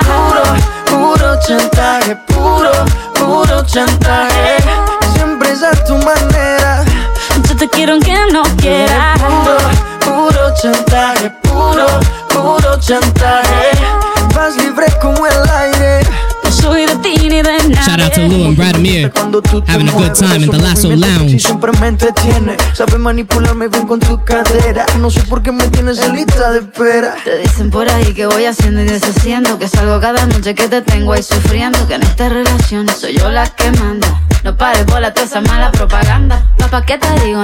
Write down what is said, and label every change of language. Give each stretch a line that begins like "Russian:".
Spanish: Tú eres puro, puro chantaje. Puro, puro chantaje. Siempre es a tu manera. Yo te quiero aunque no quiera. Puro, puro chantaje. Puro, puro chantaje. Vas libre como el aire. Soy de ti ni de nada.
English: out to Lou and Bradamir, having a good time in the Lasso Lounge.
Spanish: Siempre me entretiene, sabe manipularme bien con tu cadera. No sé por qué me tienes en lista de espera. Te dicen por ahí que voy haciendo y deshaciendo, que salgo cada noche que te tengo ahí sufriendo. Que en esta relación soy yo la que manda. No pares bola toda esa mala propaganda. Papá, ¿qué te digo?